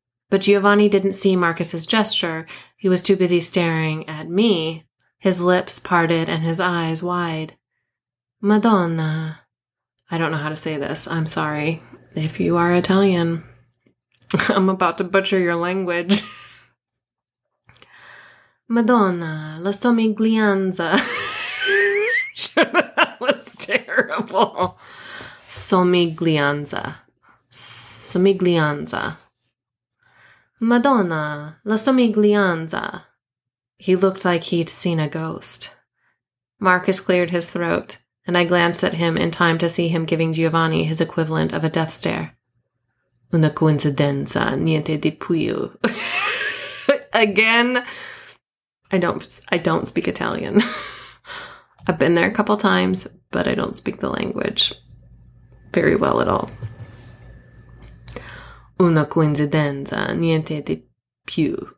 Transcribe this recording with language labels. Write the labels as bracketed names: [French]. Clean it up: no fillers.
[English] But Giovanni didn't see Marcus's gesture. He was too busy staring at me, his lips parted and his eyes wide. Madonna. I don't know how to say this. I'm sorry if you are Italian. I'm about to butcher your language. [Italian] Madonna, la somiglianza. [English] Sure, that was terrible. [Italian] Somiglianza. Somiglianza. Madonna, la somiglianza. [English] He looked like he'd seen a ghost. Marcus cleared his throat, and I glanced at him in time to see him giving Giovanni his equivalent of a death stare. [Italian] Una coincidenza, niente di più. [English] Again? I don't speak Italian. I've been there a couple times, but I don't speak the language very well at all. [Italian] Una coincidenza, niente di più.